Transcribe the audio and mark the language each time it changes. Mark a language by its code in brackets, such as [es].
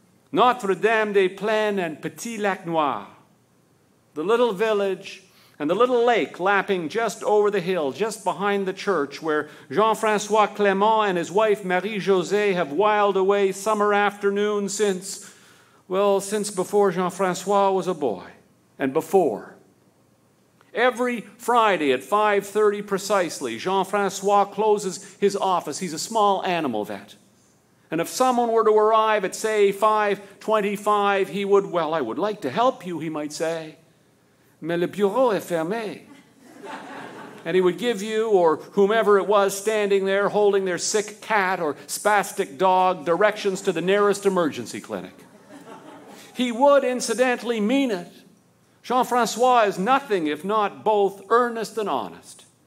[en] Notre-Dame-des-Plaines and Petit Lac Noir. The little village and the little lake lapping just over the hill, just behind the church, where Jean-François Clément and his wife Marie-Josée have whiled away summer afternoons since, well, since before Jean-François was a boy, and before. Every Friday at 5:30 precisely, Jean-François closes his office. He's a small animal vet. And if someone were to arrive at, say, 5:25, he would, well, I would like to help you, he might say. [fr] Mais le bureau est fermé. [en] And he would give you, or whomever it was standing there holding their sick cat or spastic dog, directions to the nearest emergency clinic. He would incidentally mean it. Jean-François is nothing if not both earnest and honest.